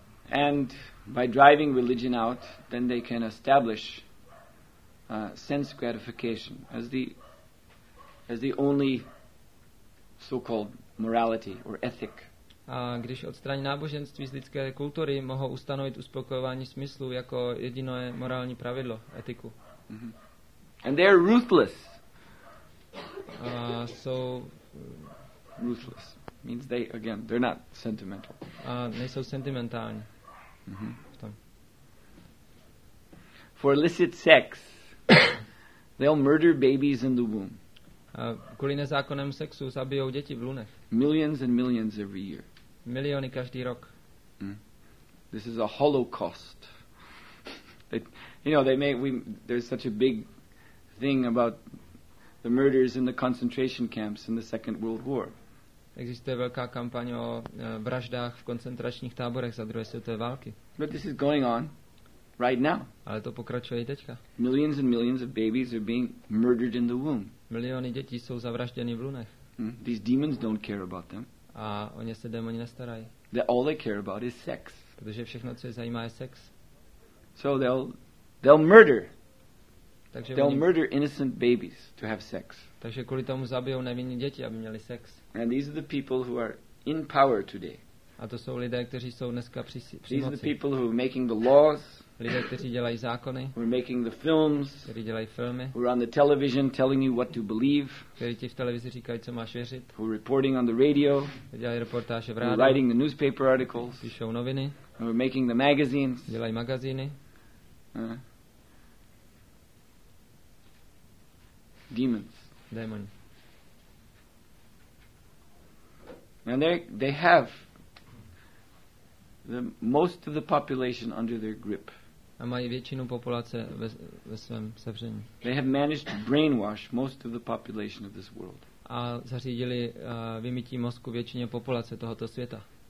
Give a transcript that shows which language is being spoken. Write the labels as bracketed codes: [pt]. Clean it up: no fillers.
[en] And by driving religion out, then they can establish sense gratification as the only so-called morality or ethic. [cs] A když odstraní náboženství z lidské kultury, mohou ustanovit uspokojování smyslu jako jediné morální pravidlo, etiku. [en] Mm-hmm. And they are ruthless. [cs] Jsou [en] ruthless means they again they're not sentimental. [cs] Nejsou sentimentální. [en] For illicit sex, they'll murder babies in the womb. [cs] Kvůli nezákonnému sexu zabijou děti v lůnech. [en] Millions and millions every year. [cs] Miliony každý rok. [en] This is a holocaust. There's such a big thing about the murders in the concentration camps in the Second World War. [cs] Existuje velká kampaň o vraždách v koncentračních táborech za druhé světové války. [en] But this is going on right now. [cs] Ale to pokračuje i teďka. [en] Millions and millions of babies are being murdered in the womb. [cs] Miliony dětí jsou zavražděny v lůnech. [en] These demons don't care about them. [cs] A o ně se démoni nestarají. [en] All they care about is sex. [cs] Protože všechno, co je zajímá, je sex. [en] So they'll murder. Murder innocent babies to have sex. [cs] Takže kvůli tomu zabijou nevinné děti, aby měli sex. [en] And these are the people who are in power today. [cs] A to jsou lidé, kteří jsou dneska při moci. [en] These are the people who are making the laws. [cs] Lidé, kteří dělají zákony. [en] Who are making the films. [cs] Kteří dělají filmy. [en] Who are on the television telling you what to believe. [cs] Kteří ti v televizi říkají, co máš věřit. [en] Who are reporting on the radio. [cs] Dělají reportáže v rádiu. [en] Who are writing the newspaper articles. [cs] Píšou noviny. [en] Who are making the magazines. [cs] Dělají magazíny. [en] Demons. [cs] Démoni. [en] And they have the most of the population under their grip. [cs] A mají většinu populace ve svém sevření. [en] They have managed to brainwash most of the population of this world. [cs] A zařídili vymytí mozku většině populace tohoto světa.